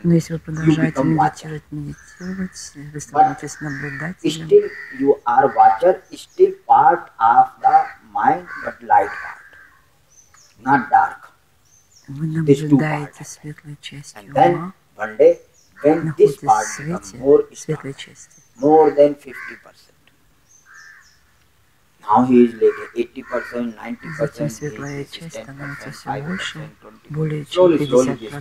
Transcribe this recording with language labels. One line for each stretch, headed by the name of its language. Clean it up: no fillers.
Russian: Но если вы продолжаете медитировать, вы становитесь наблюдателем.
English: Still you are watcher, still part of the mind, but light part, not dark.
Russian: Вы наблюдаете светлой частью.
English: And then one day, when this part becomes more
Russian: светлой части,
English: more than 50%. Now he is like 80%, 90%.
Russian: Затем светлая часть становится все больше, более чем 50%.